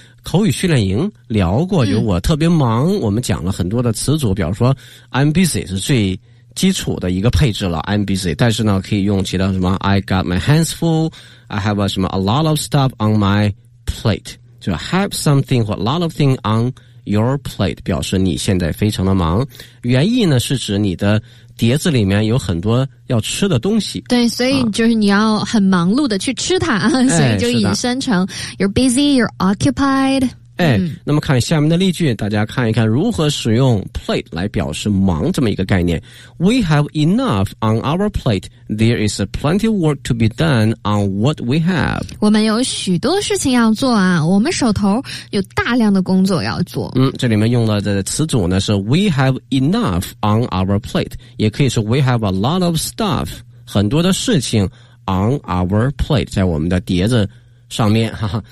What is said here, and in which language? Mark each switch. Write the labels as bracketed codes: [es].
[zh] 口语训练营聊过，就我特别忙，我们讲了很多的词组，比方说 I'm busy 是最基础的一个配置了， I'm busy， 但是呢可以用其他什么 [en] I got my hands full， [zh] I have a, 什么 [en] a lot of stuff on my plate， [zh] 就 have something 或 lot of thing on your plate， 表示你现在非常的忙，原意呢是指你的碟子里面有很多要吃的东西。对，所以就是你要很忙碌的去吃它、啊、所以就引申成 [en] You're busy, you're occupied。 [zh] 哎、嗯，那么看下面的例句，大家看一看如何使用 plate 来表示忙这么一个概念。 [en] We have enough on our plate. There is plenty of work to be done on what we have. [zh] 我们有许多事情要做啊，我们手头有大量的工作要做。嗯，这里面用了的词组呢是 [en] We have enough on our plate， [zh] 也可以说 [en] We have a lot of stuff， [zh] 很多的事情 [en] on our plate， [zh] 在我们的碟子上面，哈哈。